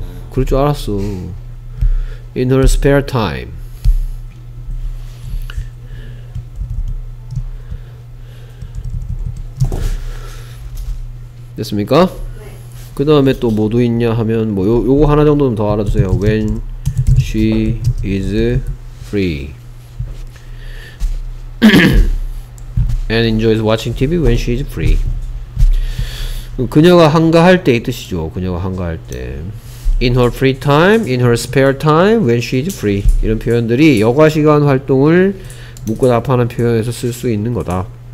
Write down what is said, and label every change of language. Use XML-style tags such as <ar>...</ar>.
<ko>그럴 줄 알았어.</ko> <en>in her spare time.</en> <ko>됐습니까? 그 다음에 또 뭐도 있냐 하면 뭐 요거 하나 정도는 더 알아주세요.</ko> <en>When she is free and enjoys watching TV when she is free.</en> <ko>그녀가 한가할 때 이 뜻이죠. 그녀가 한가할 때</ko> <en>in her free time, in her spare time, when she is free</en> <ko>이런 표현들이 여가시간 활동을 묻고 답하는 표현에서 쓸 수 있는 거다.</ko>